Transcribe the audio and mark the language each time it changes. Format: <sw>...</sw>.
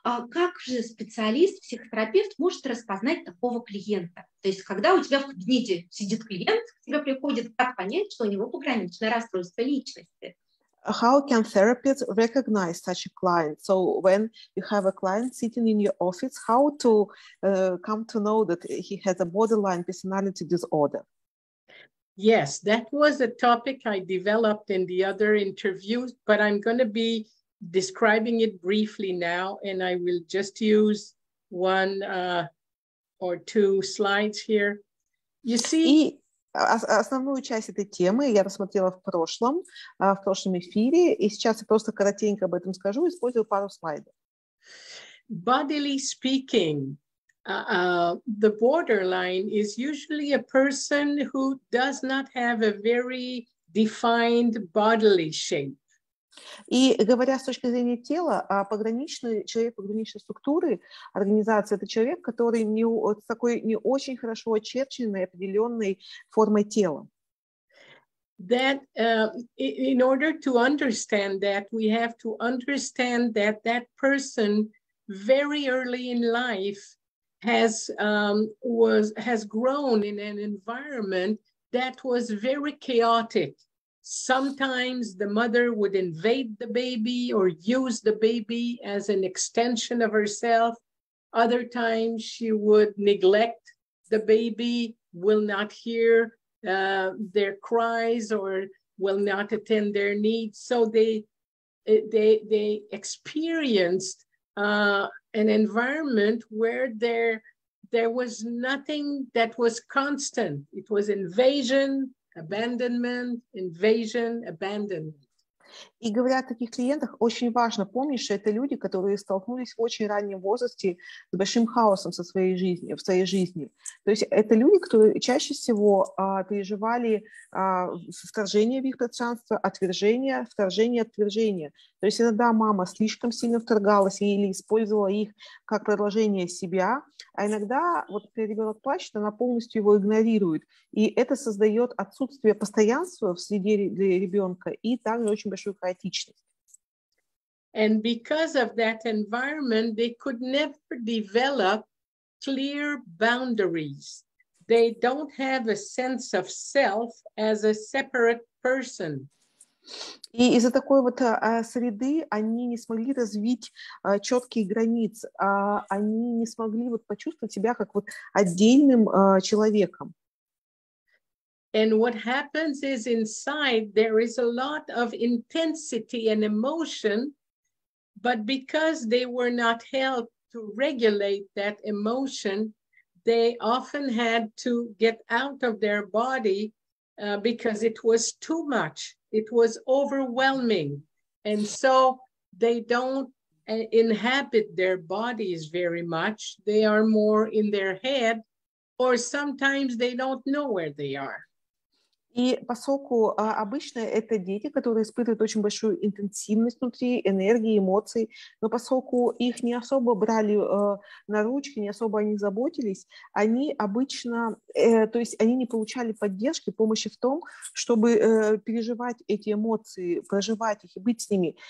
<ru>Как же специалист, психотерапевт может распознать такого клиента? То есть, когда у тебя в кабинете сидит клиент, к тебе приходит, как понять, что у него пограничное расстройство личности?</ru> <en>How can therapists recognize such a client? So, when you have a client sitting in your office, how to come to know that he has a borderline personality disorder? Yes, that was a topic I developed in the other interviews, but I'm going to be describing it briefly now, and I will just use one or two slides here. You see,</en> <ru>и основную часть этой темы я рассмотрела в прошлом эфире, и сейчас я просто коротенько об этом скажу, использую пару слайдов.</ru> <en>Bodily speaking, the borderline is usually a person who does not have a very defined bodily shape.</en> <ru>И говоря с точки зрения тела, пограничный человек пограничной структуры, организация — это человек, который не с такой не очень хорошо очерченной определенной формой тела.</ru> <en>That in order to understand that, we have to understand that that person very early in life has grown in an environment that was very chaotic. Sometimes the mother would invade the baby or use the baby as an extension of herself. Other times she would neglect the baby, will not hear their cries or will not attend their needs. So they experienced an environment where there was nothing that was constant. It was invasion, abandonment, invasion, abandonment.</en> <ru>И говоря о таких клиентах, очень важно помнить, что это люди, которые столкнулись в очень раннем возрасте с большим хаосом в своей жизни. То есть это люди, которые чаще всего переживали вторжение в их пространство, отвержение. То есть иногда мама слишком сильно вторгалась или использовала их как продолжение себя, а иногда, вот когда ребенок плачет, она полностью его игнорирует. И это создает отсутствие постоянства в среде для ребенка и также очень большую хаотичность.</ru> <en>And because of that environment, they could never develop clear boundaries. They don't have a sense of self as a separate person.</en> <ru>И из-за такой вот среды они не смогли развить четкие границы, они не смогли вот почувствовать себя как вот отдельным человеком.</ru> <en>And what happens is inside there is a lot of intensity and emotion, but because they were not helped to regulate that emotion, they often had to get out of their body because it was too much. It was overwhelming, and so they don't inhabit their bodies very much. They are more in their head, or sometimes they don't know where they are.</en> <ru>И поскольку обычно это дети, которые испытывают очень большую интенсивность внутри, энергии, эмоций, но поскольку их не особо брали на ручки, не особо о них заботились, они обычно То есть они не получали поддержки, помощи в том, чтобы переживать эти эмоции, проживать их и быть с ними.</ru>